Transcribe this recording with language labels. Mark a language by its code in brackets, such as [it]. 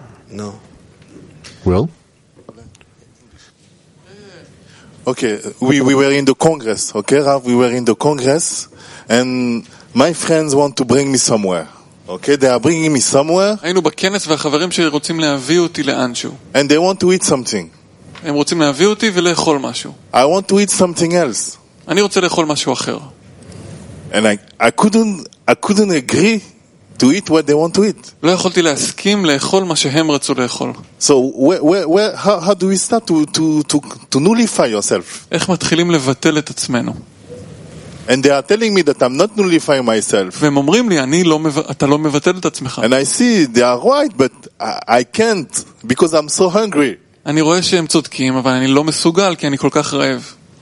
[en] No. Well? Okay, we were in the Congress, okay, Rav? We were in the Congress, and my friends want to bring me somewhere. Okay, they are bringing me somewhere. [he] היינו בכנס והחברים שלי רוצים להביא אותי לאנשהו. [en] And they want to eat something. [he] הם רוצים להביא אותי ולאכול משהו. [en] I want to eat something else. [he] אני רוצה לאכול משהו אחר. [en] And I couldn't agree to eat what they want to eat. [he] לא יכולתי להסכים לאכול מה שהם רצו לאכול. [en] So how do we start to nullify yourself? [he] איך מתחילים לבטל את עצמנו? [en] And they are telling me that I'm not nullifying myself. [he] והם אומרים לי אני לא אתה לא מבטל את עצמך. [en] And I see they are right, but I can't because I'm so hungry. [he] אני רואה שהם צודקים, אבל אני לא מסוגל כי אני כל כך רעב.